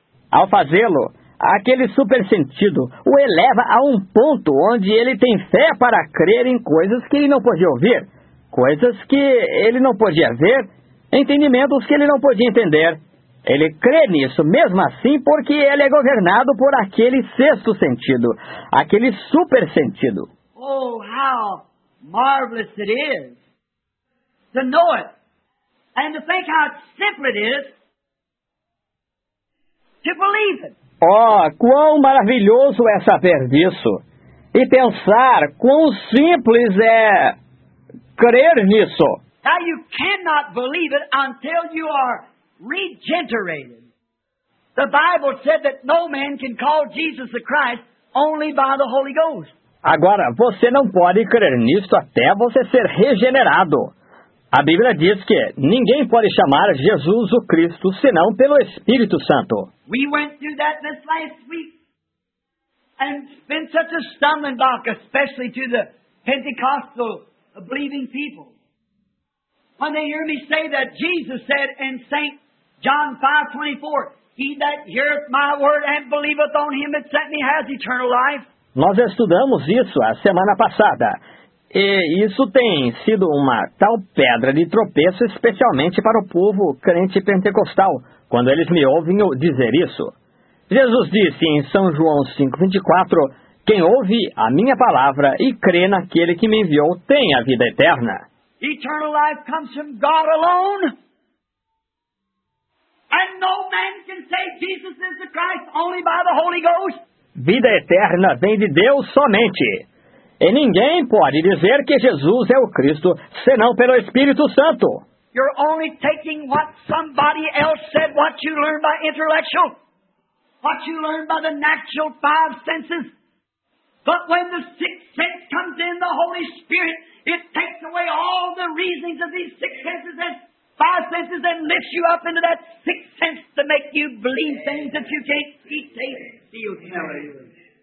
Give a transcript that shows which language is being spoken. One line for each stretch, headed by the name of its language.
Portuguese: Ao fazê-lo, aquele super sentido o eleva a um ponto onde ele tem fé para crer em coisas que ele não podia ouvir, coisas que ele não podia ver, entendimentos que ele não podia entender. Ele crê nisso, mesmo assim, porque ele é governado por aquele sexto sentido, aquele super sentido.
English: Oh, how marvelous it is to know it and to think how simple it is. To believe it.
Portuguese: Oh, quão maravilhoso é saber disso. E pensar quão simples é crer nisso.
English: Now you cannot believe it until you are regenerated. The Bible said that no man can call Jesus the Christ only by the Holy Ghost.
Portuguese: Agora, você não pode crer nisso até você ser regenerado. A Bíblia diz que ninguém pode chamar Jesus o Cristo senão pelo Espírito Santo.
English: We went through that this last week. And been such a stumbling block, especially to the Pentecostal believing people. When they hear me say that, Jesus said in St. John 5:24, He that heareth my word and believeth on him that sent me has eternal life.
Portuguese: Nós estudamos isso a semana passada. E isso tem sido uma tal pedra de tropeço, especialmente para o povo crente pentecostal, quando eles me ouvem dizer isso. Jesus disse em São João 5:24, quem ouve a minha palavra e crê naquele que me enviou tem a vida eterna.
English: Eternal life comes from God alone. And no man can say Jesus is the Christ only by the Holy Ghost.
Portuguese: Vida eterna vem de Deus somente. E ninguém pode dizer que Jesus é o Cristo senão pelo Espírito Santo.
English: You're only taking what somebody else said, what you learned by intellectual, what you learned by the natural five senses. But when the sixth sense comes in, the Holy Spirit, it takes away all the reasonings of these six senses and five senses and lifts you up into that sixth sense to make you believe things that you can't see, taste, feel, smell.